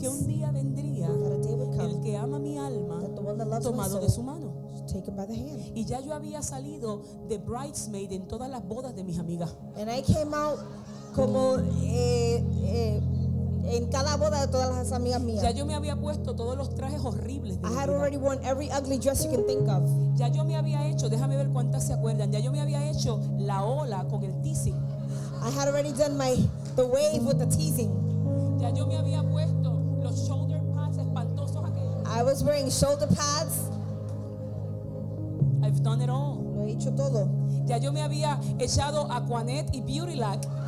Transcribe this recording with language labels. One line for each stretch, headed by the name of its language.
Spanish: que un día vendría el que ama mi alma,
English: that the one that loves
Spanish: tomado
English: my soul,
Spanish: de su mano.
English: Taken by the hand.
Spanish: Y ya yo había salido de bridesmaid en todas las bodas de mis amigas.
English: And I came out
Spanish: como en cada boda de todas las amigas mías. Ya yo me había puesto todos los trajes horribles.
English: I had already worn every ugly dress you can think of.
Spanish: Ya yo me había hecho, déjame ver cuántas se acuerdan. Ya yo me había hecho la ola con el teasing.
English: I had already done the wave with the teasing.
Spanish: Ya yo me había puesto los shoulder pads espantosos aquellos.
English: I was wearing shoulder pads. I've done it all.
Spanish: Lo he hecho todo. Ya yo me había echado Aquanet y Beauty Lac.